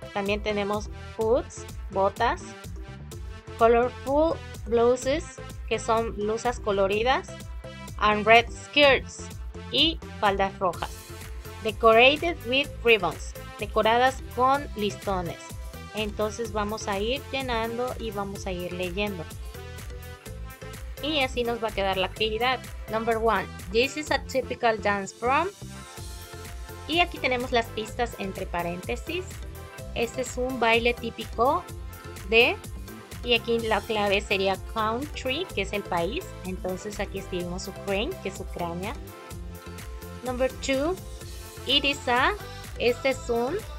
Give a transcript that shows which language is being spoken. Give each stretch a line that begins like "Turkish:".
Spanish: También tenemos
English: boots,
Spanish: botas,
English: colorful blouses,
Spanish: que son blusas coloridas,
English: and red skirts
Spanish: y faldas rojas.
English: Decorated with ribbons,
Spanish: decoradas con listones. Entonces vamos a ir llenando y vamos a ir leyendo. Y así nos va a quedar la actividad.
English: Number one, this is a typical dance from.
Spanish: Y aquí tenemos las pistas entre paréntesis. Este es un baile típico de... Y aquí la clave sería country, que es el país. Entonces aquí escribimos Ukraine, que es Ucrania.
English: Number two, it is a,
Spanish: este es un.